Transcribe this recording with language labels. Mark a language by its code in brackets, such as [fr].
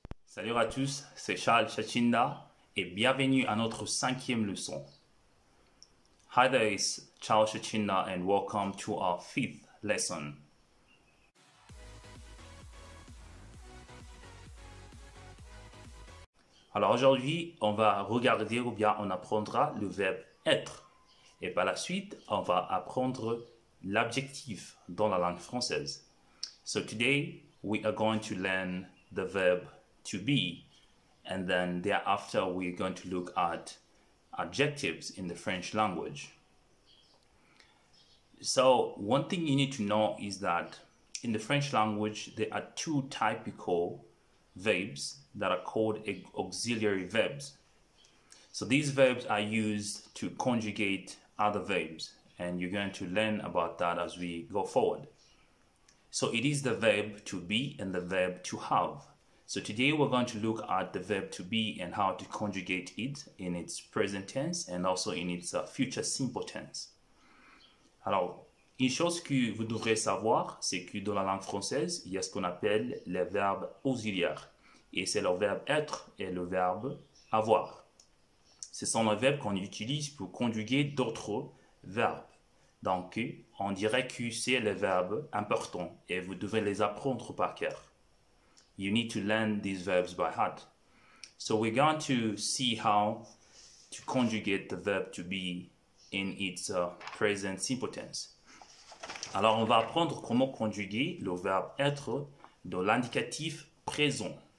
[fr] Salut à tous, c'est Charles Chachinda et bienvenue à notre cinquième leçon. [en] Hi there, it's Charles Chachinda and welcome to our fifth lesson. [fr] Alors aujourd'hui, on va regarder ou bien on apprendra le verbe être et par la suite, on va apprendre l'adjectif dans la langue française. [en] So today, we are going to learn the verb to be, and then thereafter we're going to look at adjectives in the French language. So one thing you need to know is that in the French language there are two typical verbs that are called auxiliary verbs. So these verbs are used to conjugate other verbs, and you're going to learn about that as we go forward. So it is the verb to be and the verb to have. So today we're going to look at the verb to be and how to conjugate it in its present tense and also in its future simple tense. [fr] Alors, une chose que vous devrez savoir, c'est que dans la langue française, il y a ce qu'on appelle les verbes auxiliaires. Et c'est le verbe être et le verbe avoir. Ce sont les verbes qu'on utilise pour conjuguer d'autres verbes. Donc, on dirait que c'est les verbes importants et vous devez les apprendre par cœur. [en] You need to learn these verbs by heart. So we're going to see how to conjugate the verb to be in its present simple tense. [fr] Alors, on va apprendre comment conjuguer le verbe être dans l'indicatif présent.